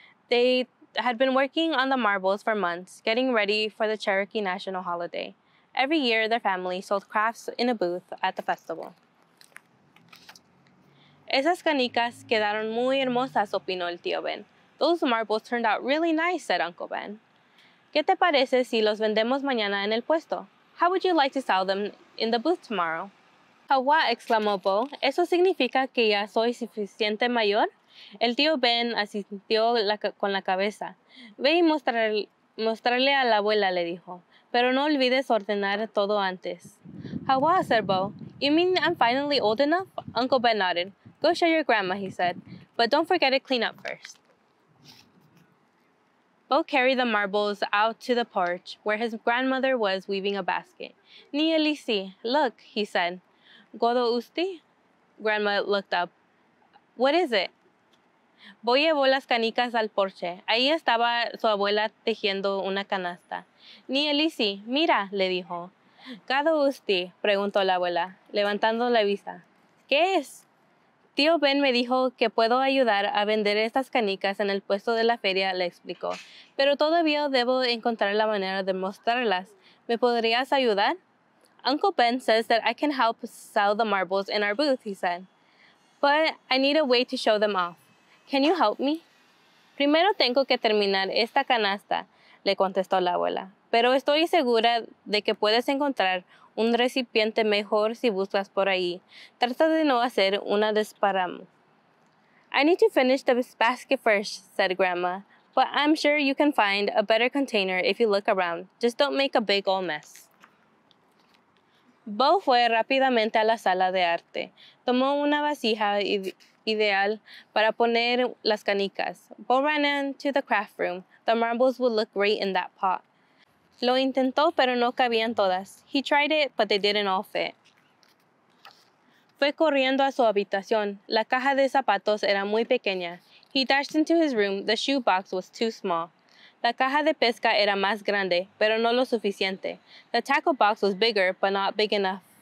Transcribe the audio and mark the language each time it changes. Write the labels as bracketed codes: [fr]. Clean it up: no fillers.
[en] They had been working on the marbles for months, getting ready for the Cherokee National Holiday. Every year, their family sold crafts in a booth at the festival. [es] Esas canicas quedaron muy hermosas, opinó el tío Ben. [en] Those marbles turned out really nice, said Uncle Ben. [es] ¿Qué te parece si los vendemos mañana en el puesto? [en] How would you like to sell them in the booth tomorrow? [es] Hawa, exclamó Bo. ¿Eso significa que ya soy suficiente mayor? El tío Ben asintió con la cabeza. Ve y mostrarle a la abuela, le dijo. Pero no olvides ordenar todo antes. [en] Hawa, said Bo. You mean I'm finally old enough? Uncle Ben nodded. Go show your grandma, he said. But don't forget to clean up first. Bo carried the marbles out to the porch where his grandmother was weaving a basket. Ni Elisi, look, he said. ¿Godo usted? Grandma looked up. What is it? [es] Bo llevó las canicas al porche. Ahí estaba su abuela tejiendo una canasta. Ni Elisi, mira, le dijo. ¿Godo usted? Preguntó la abuela, levantando la vista. ¿Qué es? Tío Ben me dijo que puedo ayudar a vender estas canicas en el puesto de la feria, le explicó. Pero todavía debo encontrar la manera de mostrarlas. ¿Me podrías ayudar? [en] Uncle Ben says that I can help sell the marbles in our booth, he said. But I need a way to show them off. Can you help me? [es] Primero tengo que terminar esta canasta, le contestó la abuela. Pero estoy segura de que puedes encontrar un recipiente mejor si buscas por ahí. Trata de no hacer una desparramo. [en] I need to finish this basket first, said Grandma. But I'm sure you can find a better container if you look around. Just don't make a big old mess. [es] Bo fue rápidamente a la sala de arte. Tomó una vasija ideal para poner las canicas. [en] Bo ran into the craft room. The marbles would look great in that pot. [es] Lo intentó, pero no cabían todas. [en] He tried it, but they didn't all fit. [es] Fue corriendo a su habitación. La caja de zapatos era muy pequeña. [en] He dashed into his room. The shoebox was too small. [es] La caja de pesca era más grande, pero no lo suficiente. [en] The tackle box was bigger, but not big enough.